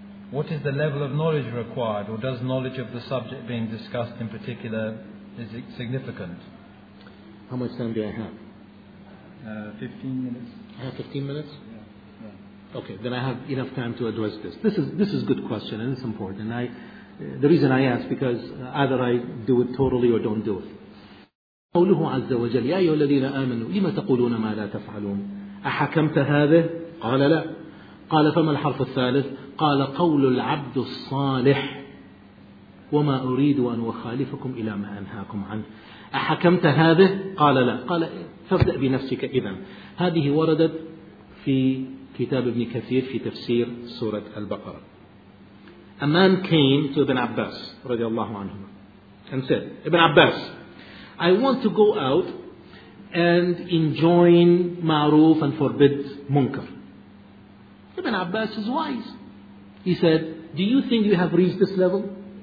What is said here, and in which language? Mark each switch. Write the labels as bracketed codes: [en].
[en] What is the level of knowledge required, or does knowledge of the subject being discussed in particular, is it significant? How much time do I have? 15 minutes. I have 15 minutes? Yeah. Okay, then I have enough time to address this. This is a good question and it's important. The reason I ask, because either I do it totally or don't do it. [ar] قوله عز وجل يا أيها الذين آمنوا لما تقولون ما لا تفعلون أحكمت هذا؟ قال لا. قال فما الحرف الثالث؟ قال قول العبد الصالح وما أريد أن أخالفكم إلى ما أنهاكم عنه. أحكمت هذا؟ قال لا. قال فابدأ بنفسك. إذن هذه وردت في كتاب ابن كثير في تفسير سورة البقرة. [en] A man came to Ibn Abbas رضي الله عنه and said, Ibn Abbas, I want to go out and enjoin ma'ruf and forbid munkar. Ibn Abbas is wise. He said, do you think you have reached this level?